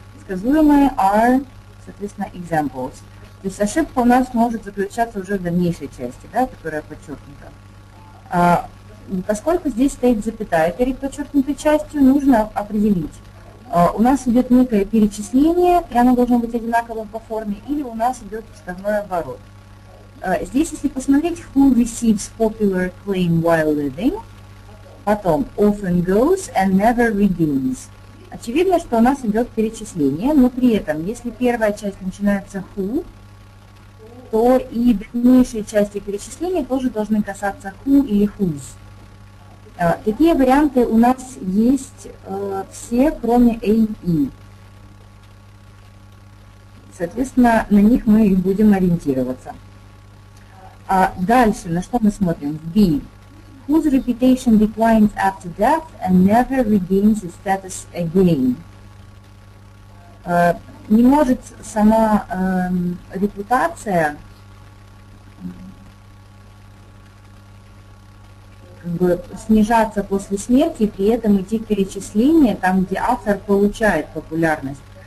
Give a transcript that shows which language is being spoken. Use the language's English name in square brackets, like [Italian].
[Russian] Сказуемое are, соответственно, examples. То есть ошибка у нас может заключаться уже в дальнейшей части, да, которая подчеркнута. Поскольку здесь стоит запятая перед подчеркнутой частью, нужно определить. У нас идет некое перечисление, и оно должно быть одинаковым по форме, или у нас идет вставной оборот. Здесь, если посмотреть, [English] who receives popular claim while living, [Russian] потом [English] often goes and never regains. [Russian] Очевидно, что у нас идет перечисление, но при этом, если первая часть начинается who, то и дальнейшие части перечисления тоже должны касаться who или whose. Такие варианты у нас есть все, кроме A и E. Соответственно, на них мы и будем ориентироваться. А дальше, на что мы смотрим? B. [English] Whose reputation declines after death and never regains its status again? [Russian] Не может сама репутация... снижаться после смерти и при этом идти перечисление там, где автор получает популярность.